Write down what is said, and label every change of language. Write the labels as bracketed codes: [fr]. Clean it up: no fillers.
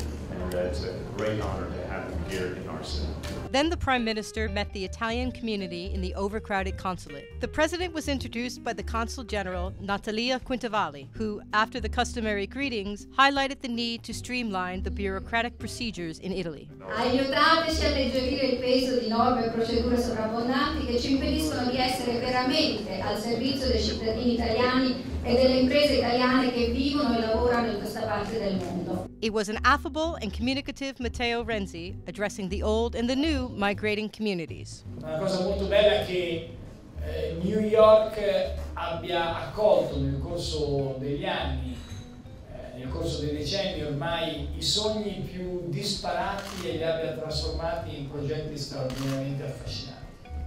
[en] And it's a great honor to have him here in our city. Then the Prime Minister met the Italian community in the overcrowded consulate. The President was introduced by the Consul General, Natalia Quintavalli, who, after the customary greetings, highlighted the need to streamline the bureaucratic procedures in Italy. [it] Aiutateci a alleggerire il peso di norme e procedure sovrabbondanti che ci impediscono di essere veramente al servizio dei cittadini italiani e delle imprese italiane che vivono e lavorano in questa parte del mondo. [en] It was an affable and communicative Matteo Renzi addressing the old and the new migrating communities. [it] Una cosa molto bella è che New York abbia accolto nel corso degli anni, nel corso dei decenni ormai, i sogni più disparati e li abbia trasformati in progetti straordinariamente affascinanti.